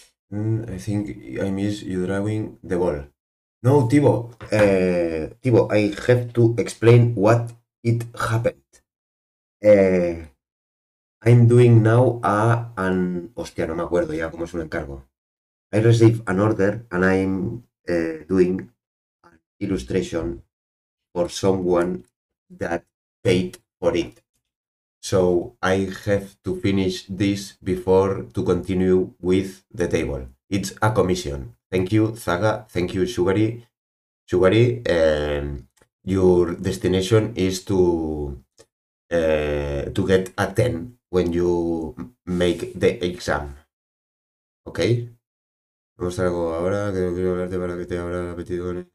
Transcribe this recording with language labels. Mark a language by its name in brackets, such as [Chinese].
[English] I think I miss you driving the ball. No, Tibo. Tibo, I have to explain what it happened. I'm doing now a an. [Spanish] Hostia, no me acuerdo ya cómo es un encargo. [English] I received an order and I'm doing an illustration for someone that paid for it. So I have to finish this before to continue with the table. It's a commission. Thank you, Zaga. Thank you, Sugary. Sugary, your destination is to get a 10 when you make the exam. [Spanish] ¿Ok? Vamos a ver algo ahora. Que no quiero hablarte para que te abra el apetito.